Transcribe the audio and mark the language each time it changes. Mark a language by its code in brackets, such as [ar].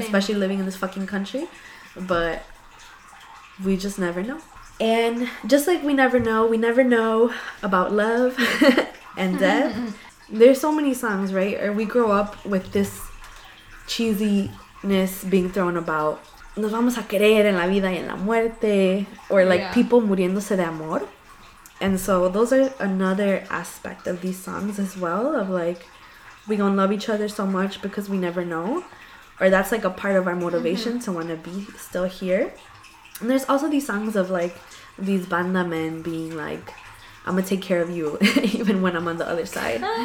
[en] Especially living in this fucking country. But we just never know. And just like we never know about love and death. There's so many songs, right? Or we grow up with this cheesiness being thrown about. [es] Nos vamos a querer en la vida y en la muerte. [en] Or like yeah. people [es] muriéndose de amor. [en] And so those are another aspect of these songs as well. Of like, we gonna love each other so much because we never know. Or that's like a part of our motivation mm-hmm. to want to be still here. And there's also these songs of like, these banda men being like, I'm gonna take care of you even when I'm on the other side.